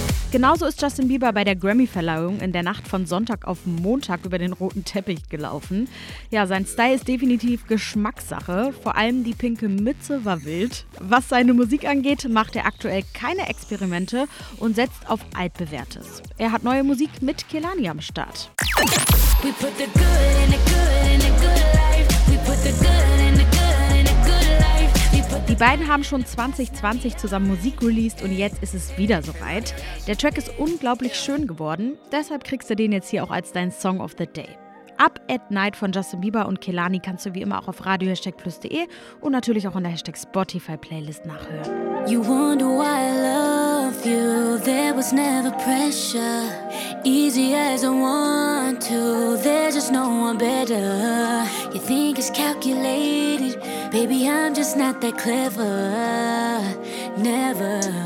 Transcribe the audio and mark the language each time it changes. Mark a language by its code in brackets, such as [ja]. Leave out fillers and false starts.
[de] Genauso ist Justin Bieber bei der Grammy-Verleihung in der Nacht von Sonntag auf Montag über den roten Teppich gelaufen. Ja, sein Style ist definitiv Geschmackssache. Vor allem die pinke Mütze war wild. Was seine Musik angeht, macht er aktuell keine Experimente und setzt auf Altbewährtes. Er hat neue Musik mit Kehlani am Start. [en] We put the good in the good in the good life. We put the good. [de] Die beiden haben schon 2020 zusammen Musik released und jetzt ist es wieder soweit. Der Track ist unglaublich schön geworden, deshalb kriegst du den jetzt hier auch als dein Song of the Day. Up at Night von Justin Bieber und Kehlani kannst du wie immer auch auf radio-plus.de und natürlich auch in der Hashtag Spotify Playlist nachhören. [en] You wonder why I love you, there was never pressure. Easy as I want to, there's just no one better. You think it's calculated. Baby, I'm just not that clever, never.